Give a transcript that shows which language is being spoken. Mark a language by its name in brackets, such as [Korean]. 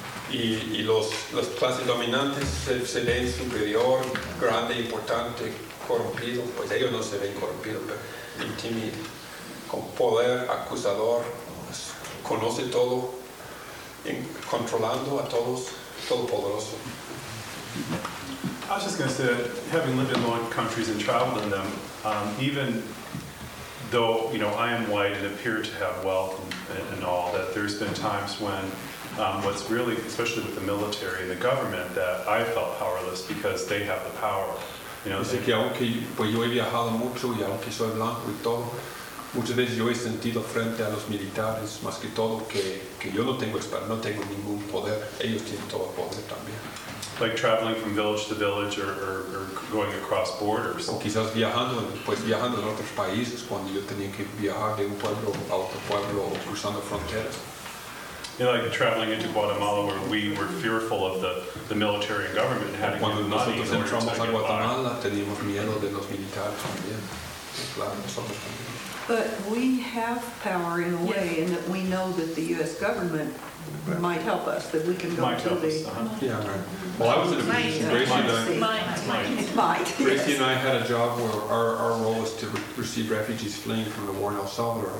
[Spanish] Y las clases dominantes se ven superior, grande, importante, corrompido, pues ellos no se ven corrompidos, pero intimidados, con poder acusador, pues, conoce todo, controlando a todos, todopoderoso. [English] I was just going to say that having lived in long countries and traveled in them, even though, you know, I am white and appear to have wealth and all, that there's been times when what's really, especially with the military and the government, that I felt powerless because they have the power. You know, [Spanish] que aunque, pues yo he viajado mucho y aunque soy blanco y todo, muchas veces yo he sentido frente a los militares, más que todo, que yo no tengo ningún poder, ellos tienen todo el poder también. [English] Like traveling from village to village or going across borders. [Spanish] O quizás viajando en otros países cuando yo tenía que viajar de un pueblo a otro pueblo o cruzando fronteras. [English] You know, like traveling into Guatemala where we were fearful of the military and government and having to give money in order to get Guatemala, water. [Spanish] Cuando nosotros entramos a Guatemala teníamos miedo de los militares también. Claro, nosotros también. [English] But we have power in a way, yes. In that we know that the U.S. government might help us, that we can go might to the... Us, yeah, right. Well, I was in a position, Gracie and I had a job where our role was to receive refugees fleeing from the war in El Salvador.